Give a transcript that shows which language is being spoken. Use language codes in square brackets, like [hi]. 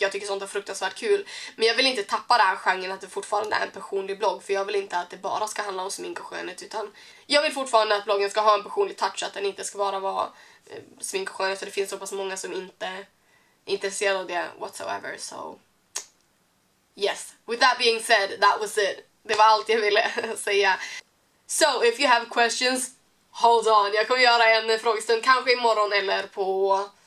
[sv] Jag tycker sånt är fruktansvärt kul. Men jag vill inte tappa den här genren att det fortfarande är en personlig blogg. För jag vill inte att det bara ska handla om smink och skönhet. Utan jag vill fortfarande att bloggen ska ha en personlig touch. Att den inte ska bara vara smink och skönhet. För det finns så pass många som inte är intresserade av det whatsoever. [en] So... Yes, with that being said, that was it. [sv] Det var allt jag ville säga. [en] So, if you have questions, hold on. [sv] Jag kommer göra en frågestund, kanske imorgon eller på...